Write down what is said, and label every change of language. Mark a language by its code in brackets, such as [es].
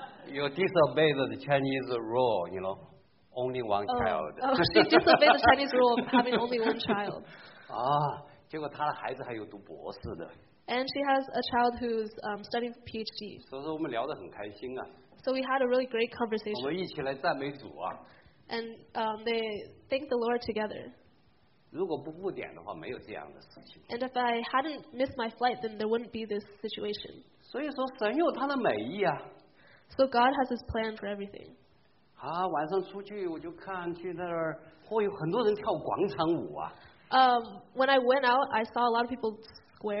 [en] You disobeyed the Chinese rule, you know, only one child. Oh, she disobeyed the Chinese rule of having only one child. [zh] 啊，结果她的孩子还有读博士的。 [en] And she has a child who's studying PhD. [zh] 所以说我们聊得很开心啊。 [en] So we had a really great conversation. [zh] 我们一起来赞美主啊。 [en] And they thank the Lord together. [zh] 如果不误点的话，没有这样的事情。 [en] And if I hadn't missed my flight, then there wouldn't be this situation. [zh] 所以说，神有他的美意啊。 [en] So God has His plan for everything. [zh] 啊，晚上出去我就看去那儿，会有很多人跳广场舞啊。 [en] When I went out, I saw a lot of people square